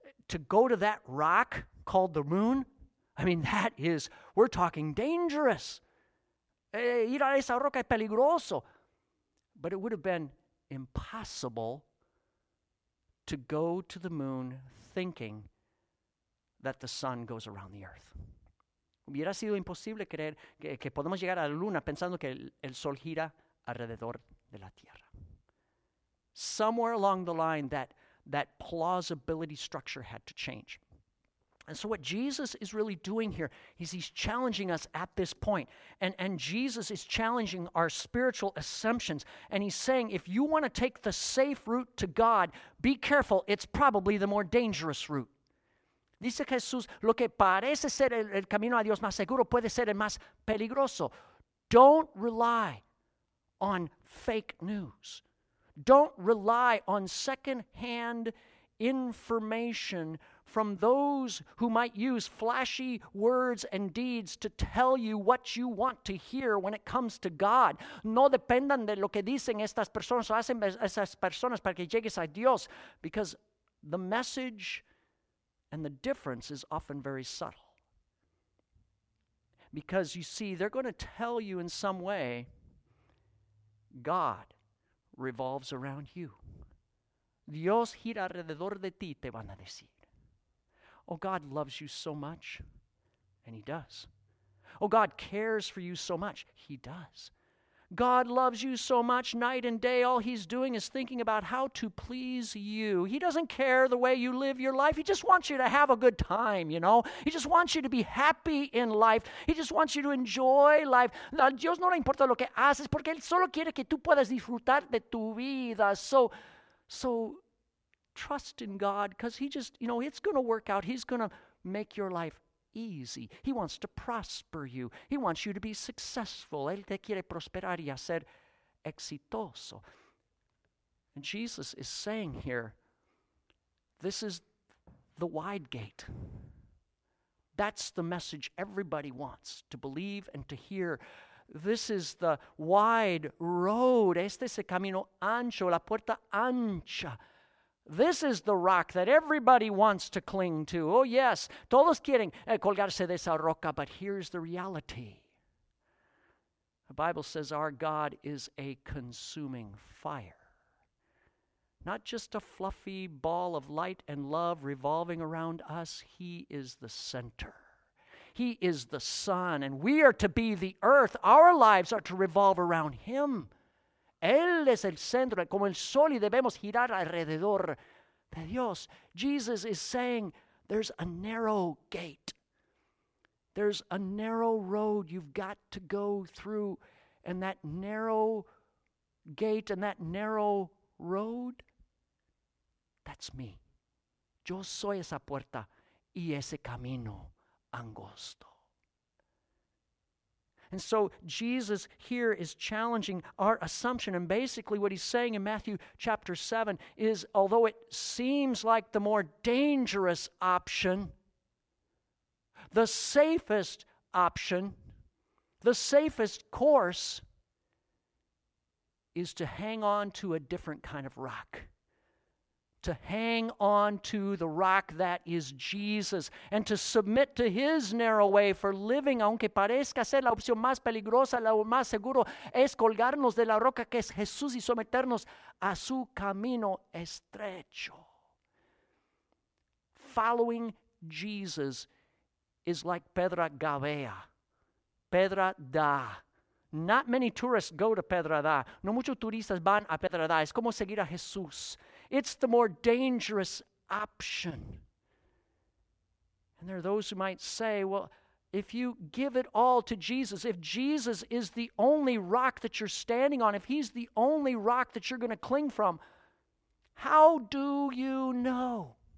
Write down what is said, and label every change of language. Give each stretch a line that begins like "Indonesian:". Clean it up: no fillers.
English: To go to that rock called the moon, I mean, that is, we're talking dangerous.
Spanish: Ir a esa roca es peligroso.
English: But it would have been impossible to go to the moon thinking that the sun goes around the earth.
Spanish: Hubiera sido imposible creer que podemos llegar a la luna pensando que el sol gira alrededor de la tierra.
English: Somewhere along the line, that plausibility structure had to change. And so what Jesus is really doing here is he's challenging us at this point. And Jesus is challenging our spiritual assumptions. And he's saying, if you want to take the safe route to God, be careful. It's probably the more dangerous route.
Spanish: Dice Jesús, lo que parece ser el camino a Dios más seguro puede ser el más peligroso.
English: Don't rely on fake news. Don't rely on second-hand information from those who might use flashy words and deeds to tell you what you want to hear when it comes to God.
Spanish: No dependan de lo que dicen estas personas o hacen esas personas para que llegues a Dios.
English: Because the message and the difference is often very subtle. Because you see, they're going to tell you in some way, God revolves around you.
Spanish: Dios gira alrededor de ti, te van a decir.
English: Oh, God loves you so much, and he does. Oh, God cares for you so much, he does. God loves you so much, night and day, all he's doing is thinking about how to please you. He doesn't care the way you live your life. He just wants you to have a good time, you know. He just wants you to be happy in life. He just wants you to enjoy life.
Spanish: A Dios no le importa lo que haces, porque él solo quiere que tú puedas disfrutar de tu vida.
English: So trust in God, because he just, you know, it's going to work out. He's going to make your life easy. He wants to prosper you. He wants you to be successful.
Spanish: Él te quiere prosperar y hacer exitoso.
English: And Jesus is saying here, this is the wide gate. That's the message everybody wants to believe and to hear. This is the wide road.
Spanish: Este es el camino ancho, la puerta ancha.
English: This is the rock that everybody wants to cling to. Oh, yes,
Spanish: todos quieren colgarse de esa roca,
English: but here's the reality. The Bible says our God is a consuming fire. Not just a fluffy ball of light and love revolving around us. He is the center. He is the sun, and we are to be the earth. Our lives are to revolve around him.
Spanish: Él es el centro, como el sol, y debemos girar alrededor de Dios.
English: Jesus is saying, there's a narrow gate. There's a narrow road you've got to go through. And that narrow gate and that narrow road, that's me.
Spanish: Yo soy esa puerta y ese camino angosto.
English: And so Jesus here is challenging our assumption. And basically what he's saying in Matthew chapter 7 is, although it seems like the more dangerous option, the safest option, the safest course is to hang on to a different kind of rock. To hang on to the rock that is Jesus and to submit to his narrow way for living,
Spanish: aunque parezca ser la opción más peligrosa, la más seguro, es colgarnos de la roca que es Jesús y someternos a su camino estrecho.
English: Following Jesus is like Pedra Gavea, Pedra Da. Not many tourists go to Pedra Da.
Spanish: No muchos turistas van a Pedra Da. Es como seguir a Jesús.
English: It's the more dangerous option. And there are those who might say, well, if you give it all to Jesus, if Jesus is the only rock that you're standing on, if he's the only rock that you're going to cling from, how do you know?